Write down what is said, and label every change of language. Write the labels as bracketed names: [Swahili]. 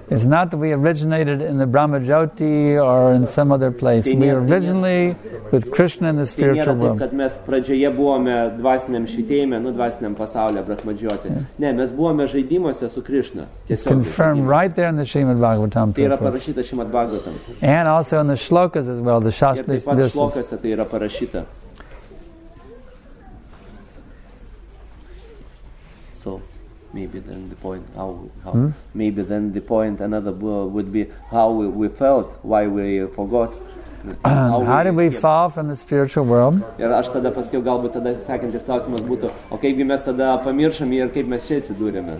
[English] It's not that we originated in the Brahma Jyoti or in some other place. We are originally with Krishna in the spiritual world. [Lithuanian] Tai nėra taip, kad mes pradžioje buvome dvasiniam švietėjime, dvasiniam pasaulyje, Brahma Jyoti. Ne, mes buvome žaidimuose su Krishna. [English] It's confirmed right there in the Srimad Bhagavatam. [Lithuanian] Tai yra parašyta Srimad Bhagavatam. [English] And also in the shlokas as well, the shastri [Lithuanian] verses. Ir taip pat shlokose tai yra parašyta. [English] So, maybe then the point, another would be how we felt, why we forgot. How did we fall from the spiritual world? [Lithuanian] Ir aš tada pasakiau, galbūt tada sekantis klausimas būtų, o kaipgi mes tada pamiršom ir kaip mes čia įsidūrėme?